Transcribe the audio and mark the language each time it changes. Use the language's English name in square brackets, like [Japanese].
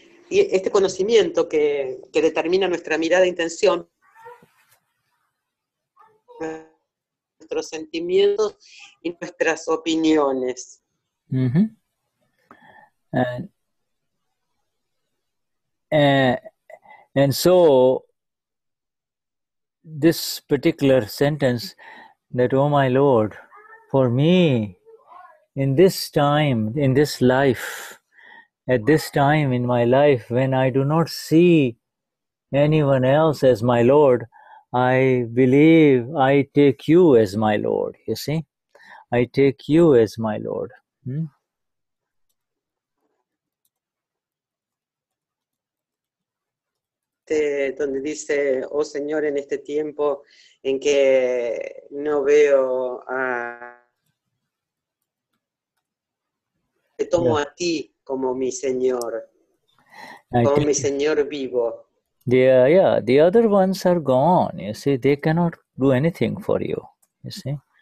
[Spanish] Y este conocimiento que determina nuestra mirada e intención, nuestros sentimientos y nuestras opiniones. [English] And so this particular sentence that, oh my Lord, for me in this time, in this life, at this time in my life, when I do not see anyone else as my Lord, I believe I take you as my Lord, you see? I take you as my Lord. [Spanish] Donde dice, oh Señor, en este tiempo en que no veo a... Te tomo a ti como mi Señor, mi Señor vivo. [English] Yeah, the other ones are gone, you see. They cannot do anything for you, you see.